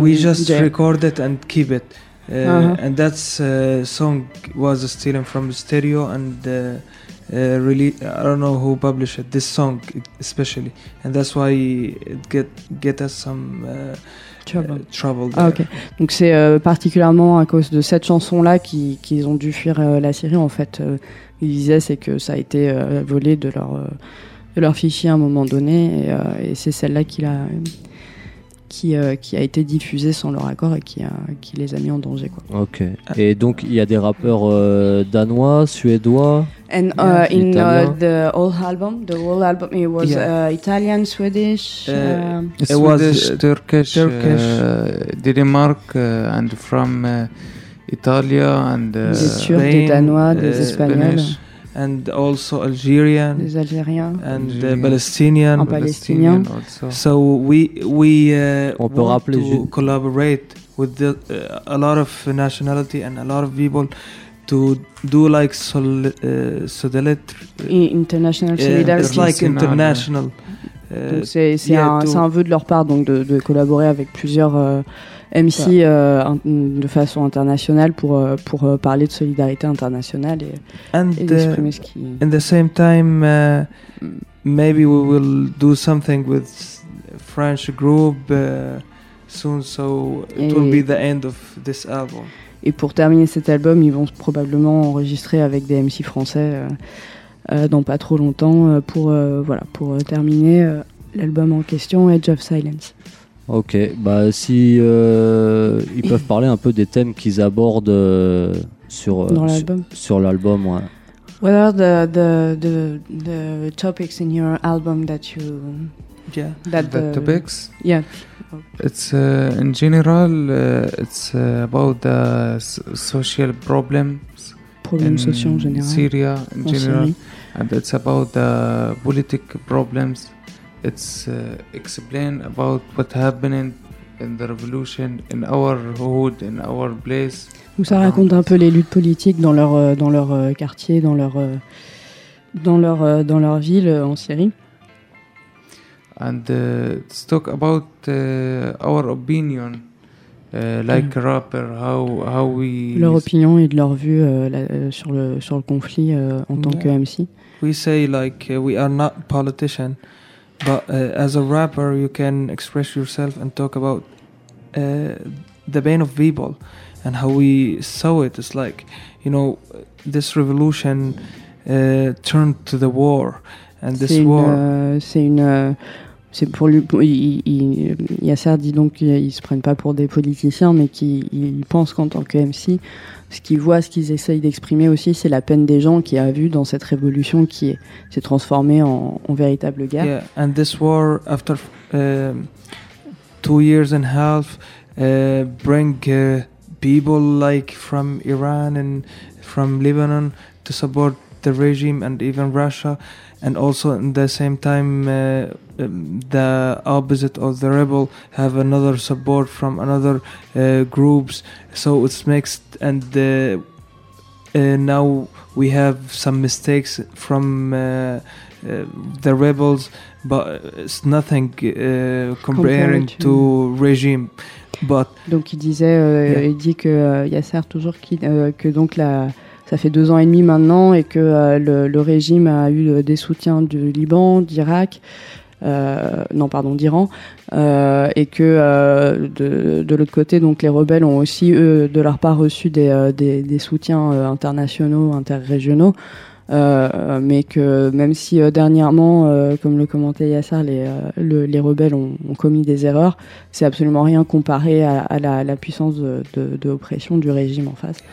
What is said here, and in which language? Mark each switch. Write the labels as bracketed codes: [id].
[en] we just there. Recorded and keep it. And that song was stolen from the stereo and really, I don't know who published it, this song especially. And that's why it get us some trouble there. Ah, okay. [fr] Donc c'est particulièrement à cause de cette chanson-là qu'ils ont dû fuir la Syrie. En fait, ils disaient c'est que ça a été volé de leur... de leur fichier à un moment donné et c'est celle-là qui a été diffusée sans leur accord et qui les a mis en danger quoi. Ok. Et donc il y a des rappeurs danois, suédois. [en] And in the whole album, it was Italian, Swedish. It was Turkish, Denmark, and from Italy and. [fr] Des Turcs, des Danois, des Espagnols. [en] And also Algerian, [fr] des Algériens, [en] and the Palestinian, [fr] en Palestinian. [en] So we want to collaborate with a lot of nationality and a lot of people to do international solidarity. It's like international. [fr] C'est un vœu de leur part donc de collaborer avec plusieurs MC de façon internationale pour parler de solidarité internationale et exprimer ce qui. [en] In the same time, maybe we will do something with French group soon, so it will be the end of this album. [fr] Et pour terminer cet album, ils vont probablement enregistrer avec des MC français dans pas trop longtemps pour terminer l'album en question, Age of Silence. Ok, si ils peuvent parler un peu des thèmes qu'ils abordent sur l'album. Ouais. [en] What are the topics in your album that you the topics? Yeah. It's in general, it's about the social problems. [fr] Problèmes sociaux en général. [en] Syria in general, and it's about the political problems. It's explain about what happened in the revolution in our hood, in our place. [fr] Donc ça raconte un peu les luttes politiques dans leur quartier, dans leur ville en Syrie. [en] And it's talk about our opinion, rapper, how we. [fr] Leur opinion et de leur vue sur le conflit en tant que MC. [en] We say we are not politician. But as a rapper, you can express yourself and talk about the pain of people and how we saw it. It's like, this revolution turned to the war, and this war. [fr] C'est pour lui. Yasser dit donc qu'ils se prennent pas pour des politiciens, mais qu'ils pensent qu'en tant que MC, ce qu'ils voient, ce qu'ils essayent d'exprimer aussi, c'est la peine des gens qui a vu dans cette révolution qui s'est transformée en véritable guerre. [en] Yeah, and this war after 2 years and a half bring people from Iran and from Lebanon to support the regime and even Russia, And also in the same time, the opposite of the rebel have another support from another groups. So it's mixed, and now we have some mistakes from the rebels, but it's nothing comparing to regime. But [fr] donc il disait, yeah. Il dit que Yasser toujours qui que donc la ça fait 2 ans et demi maintenant et que le régime a eu des soutiens du Liban, d'Irak, d'Iran, et que de l'autre côté, donc les rebelles ont aussi eux de leur part reçu des soutiens internationaux, interrégionaux, mais que même si dernièrement, comme le commentait Yasser, les rebelles ont commis des erreurs, c'est absolument rien comparé à la puissance de oppression du régime en face.